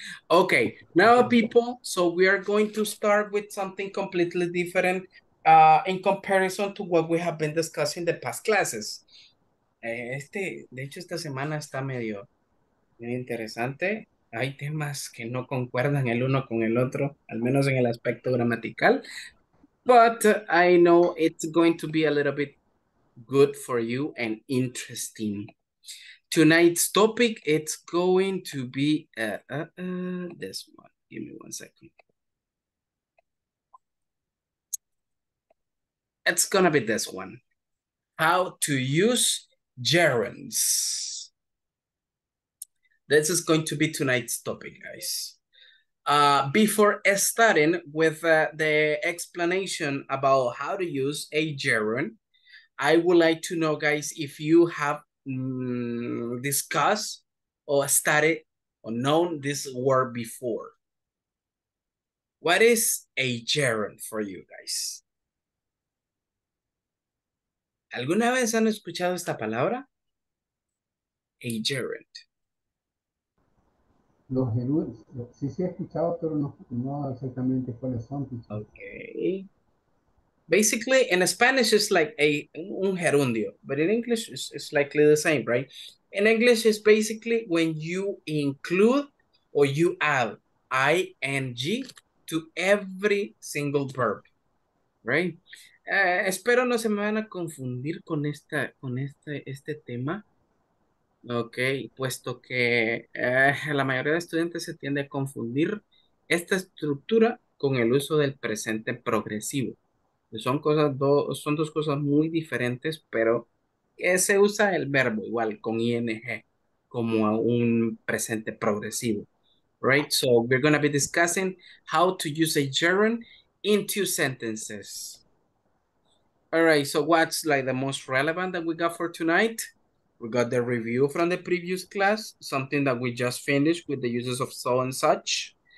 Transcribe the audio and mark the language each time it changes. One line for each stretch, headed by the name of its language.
English: Okay, now people, so we are going to start with something completely different in comparison to what we have been discussing in the past classes.
Spanish: De hecho, esta semana está medio interesante. Hay temas que no concuerdan el uno con el otro, al menos en el aspecto gramatical.
English: But I know it's going to be a little bit good for you and interesting. Tonight's topic, it's going to be this one. Give me one second. It's gonna be this one. How to use gerunds. This is going to be tonight's topic, guys. Before starting with the explanation about how to use a gerund, I would like to know, guys, if you have discuss or study or known this word before. What is a gerund for you guys?
Spanish: ¿Alguna vez han escuchado esta palabra? A gerund. Los gerunds, sí, he escuchado, pero no exactamente cuáles son, teacher.
English: Okay. Basically, in Spanish, it's like
Spanish: un gerundio,
English: but in English, it's likely the same, right? In English, it's basically when you include or you add ing to every single verb, right?
Spanish: Espero no se me van a confundir con este tema, ok, puesto que la mayoría de estudiantes se tiende a confundir esta estructura con el uso del presente progresivo. Son dos cosas muy diferentes, pero que se usa el verbo igual con ing como un presente progresivo,
English: right? So we're gonna be discussing how to use a gerund in two sentences. All right, so what's like the most relevant that we got for tonight? We got the review from the previous class, something that we just finished with the uses of so and such.